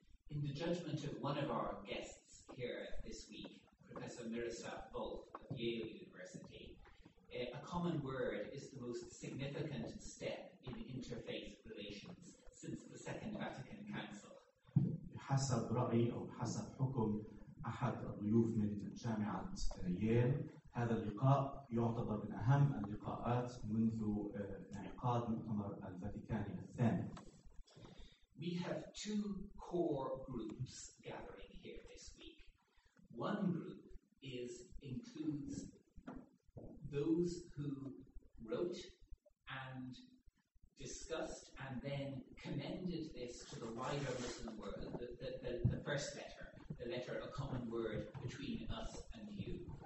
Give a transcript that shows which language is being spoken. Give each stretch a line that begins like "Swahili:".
English: In the judgment of one of our guests here this week, Professor Miroslav Volf of Yale University, a common word is the most significant step in interfaith relations since the Second Vatican Council.
Arabic: بحسب رأي أو بحسب حكم أحد الضيوف من جامعة ييل، هذا اللقاء يعتبر من أهم اللقاءات منذ انعقاد مؤتمر الفاتيكان الثاني.
English: We have two core groups gathering here this week. One group includes those who wrote and discussed and then commended this to the wider Muslim world, the first letter, the letter A Common Word Between Us and You.